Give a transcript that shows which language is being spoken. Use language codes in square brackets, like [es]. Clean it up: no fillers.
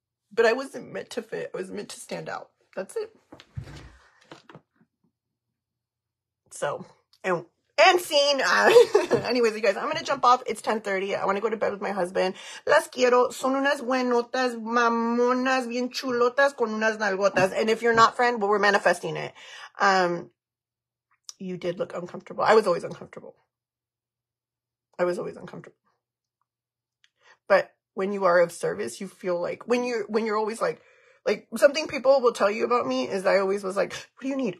[en] But I wasn't meant to fit. I was meant to stand out. That's it. So, and scene. Anyways, you guys, I'm going to jump off. It's 10:30. I want to go to bed with my husband. [es] Las quiero. Son unas buenotas, mamonas, bien chulotas, con unas nalgotas. [en] And if you're not, friend, well, we're manifesting it. You did look uncomfortable. I was always uncomfortable. But when you are of service, you feel like, when you're always like something people will tell you about me is I always was like, what do you need?